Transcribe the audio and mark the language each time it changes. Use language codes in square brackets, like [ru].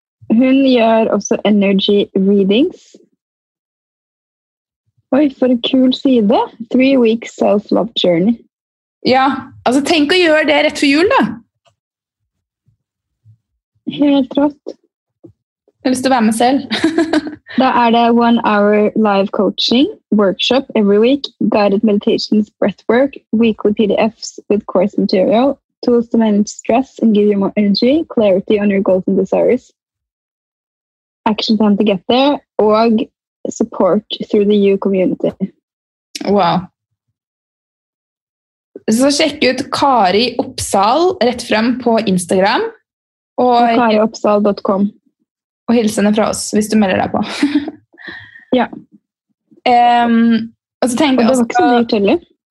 [no] Hun gjør også [en] energy readings. [no] Oi, for en kul side. [en] 3 weeks self-love journey. [no] Ja, altså tenk å gjøre det rett for jul da. Helt rått. Jeg har lyst til å være med selv. Da det [en] 1 hour live coaching, workshop every week, guided meditations, breathwork, weekly PDFs with course material, tools to manage stress and give you more energy, clarity on your goals and desires, action plan to get there, og support through the you community. Wow. [no] Så sjekk ut Kari Oppsal rett frem på Instagram. Og karioppsal.com. Og hilse henne fra oss, hvis du melder deg på. Ja. Og så tenker jeg også... Og det var ikke så dyrt heller.